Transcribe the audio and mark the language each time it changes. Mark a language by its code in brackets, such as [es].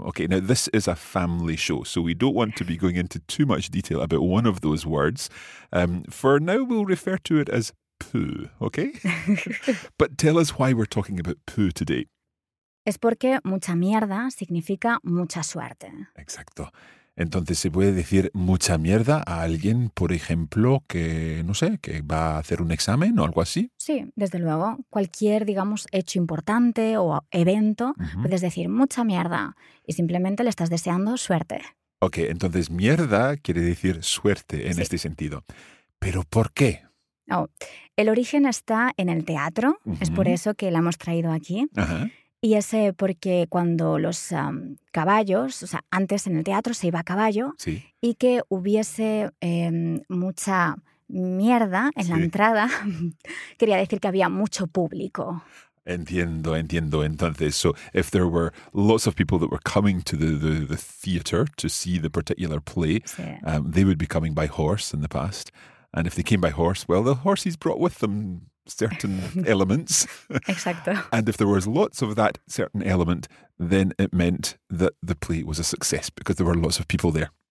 [en] Okay, now this is a family show, so we don't want to be going into too much detail about one of those words. For now, we'll refer to it as poo, okay? But tell us why we're talking about poo today. [es] Es porque mucha mierda significa mucha suerte. Exacto. Entonces, ¿se puede decir mucha mierda a alguien, por ejemplo, que, no sé, que va a hacer un examen o algo así? Sí, desde luego. Cualquier, digamos, hecho importante o evento, puedes decir mucha mierda y simplemente le estás deseando suerte. Ok, entonces mierda quiere decir suerte en este sentido. ¿Pero por qué? Oh, el origen está en el teatro, es por eso que la hemos traído aquí. Y es porque cuando los caballos, o sea, antes en el teatro se iba a caballo, sí, y que hubiese mucha mierda en la entrada, quería decir que había mucho público. Entiendo, entiendo. [en] Entonces, so if there were lots of people that were coming to the theater to see the particular play, they would be coming by horse in the past. And if they came by horse, well, the horses brought with them certain elements. [es] Exacto. [en] And if there was lots of that certain element, then it meant that the play was a success because there were lots of people there.